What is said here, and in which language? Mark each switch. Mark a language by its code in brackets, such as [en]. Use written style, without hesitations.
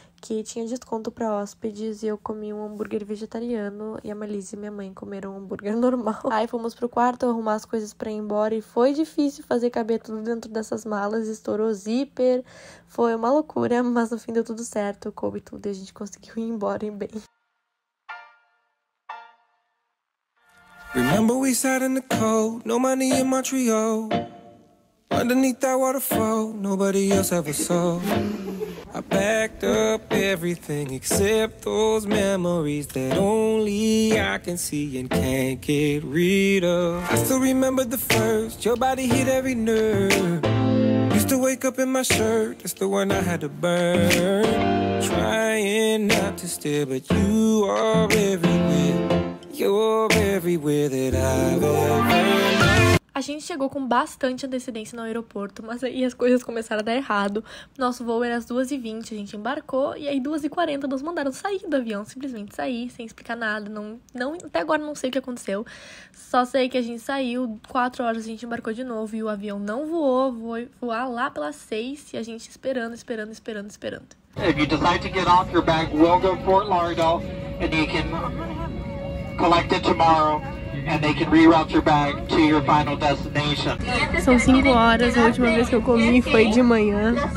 [pt] que tinha desconto pra hóspedes e eu comi um hambúrguer vegetariano e a Marlise e minha mãe comeram um hambúrguer normal. Aí fomos pro quarto arrumar as coisas pra ir embora e foi difícil fazer caber tudo dentro dessas malas, estourou zíper, foi uma loucura, mas no fim deu tudo certo, coube tudo e a gente conseguiu ir embora em bem. [en] Remember we sat in the cold, no money in Montreal. Underneath that waterfall, nobody else ever saw. I packed up everything except those memories that only I can see and can't get rid of. I still remember the first, your body hit every nerve. Used to wake up in my shirt, that's the one I had to burn. Trying not to stare, but you are everywhere. You're everywhere that I've ever known. [pt] gente chegou com bastante antecedência no aeroporto, mas aí as coisas começaram a dar errado. Nosso voo era às 2h20, a gente embarcou, e aí 2h40 nós mandaram sair do avião, simplesmente sair, sem explicar nada, até agora não sei o que aconteceu. Só sei que a gente saiu, 4 horas a gente embarcou de novo, e o avião não voou, foi voar lá pelas 6, e a gente esperando. [en] If you decide to get off, your bag will go to Fort Lauderdale, and you can collect it tomorrow, and they can reroute your bag to your final destination. [pt] São 5 horas, a última vez que eu comi foi de manhã.